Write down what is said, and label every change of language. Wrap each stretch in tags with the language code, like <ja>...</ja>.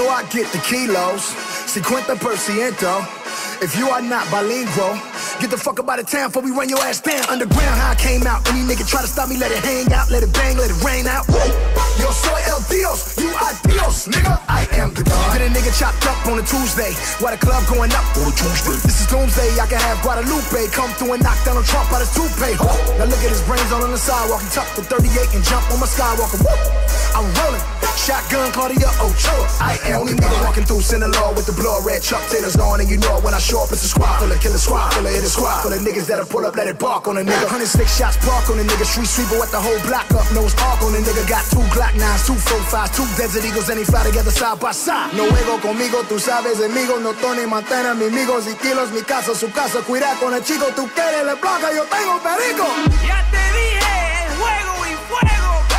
<en>Get the kilos,</en> <es>cincuenta por ciento.</es> <en>If you are not bilingual, get the fuck up out of town before we run your ass down. Underground, how I came out. Any nigga try to stop me, let it hang out, let it bang, let it rain out. Woo!</en> <es>Yo soy el Dios,</es> <en>you are Dios, nigga. I am the God. Get a nigga chopped up on a Tuesday, while the club going up on a Tuesday. This is doomsday, I can have Guadalupe come through and knock down a Trump out his toupee. Woo! Now look at his brains all on the sidewalk. He tucked the 38 and jump on my Skywalker. Woo! I'm rolling. Shotgun, Claudia, Ochoa. I am only nigga walking through Sinaloa with the blood red Chuck Taylors on. And you know it when I show up, it's a squad full of killer squad, full of hitter squad, full of niggas that'll pull up, let it bark on a nigga. 106 shots park on a nigga. Street sweeper with the whole block up, nose park on a nigga. Got two Glock 9s, two 45s, two Desert Eagles, and he fly together side by side.</en> <es>No juego conmigo, tú sabes, amigo. No Tony Montana, mi amigos y kilos. Mi casa, su casa, cuidado con el chico. Tú quieres la placa, yo tengo perico. Ya te dije, el juego y fuego.</es>